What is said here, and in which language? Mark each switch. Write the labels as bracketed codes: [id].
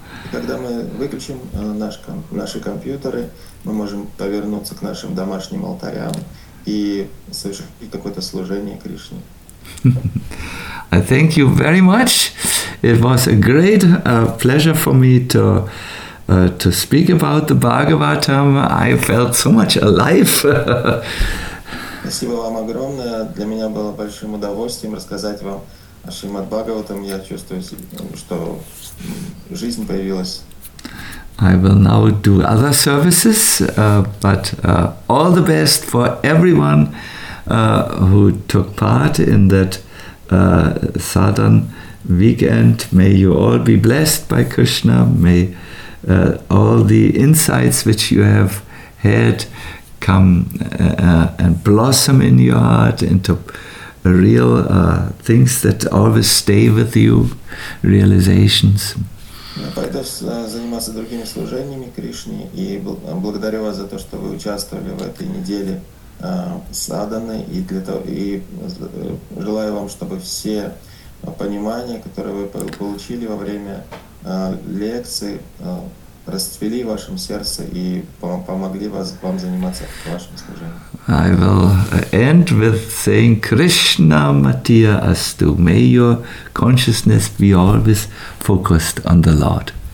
[ru] Когда мы выключим наши компьютеры, мы можем повернуться к нашим домашним алтарям и совершить какое-то служение Кришне. [en] I thank you very much. It was a great pleasure for me to speak about the Bhagavatam. I felt so much alive. [ru] Спасибо вам огромное. Для меня было большим удовольствием рассказать вам о Шримад Бхагаватам. Я чувствую, что жизнь появилась. [en] I will now do other services, but all the best for everyone who took part in that sadhan weekend. May you all be blessed by Krishna. May all the insights which you have had come and blossom in your heart into real things that always stay with you, realizations. [ru] Я пойду заниматься другими служениями Кришне и благодарю вас за то, что вы участвовали в этой неделе садханы, и для того, и желаю вам, чтобы все понимания, которые вы получили во время лекции, расцвели в вашем сердце и помогли вам заниматься вашим служением. [en] I will end with saying [sa] Krishna Matiya Astu. [en] May your consciousness be always focused on the Lord.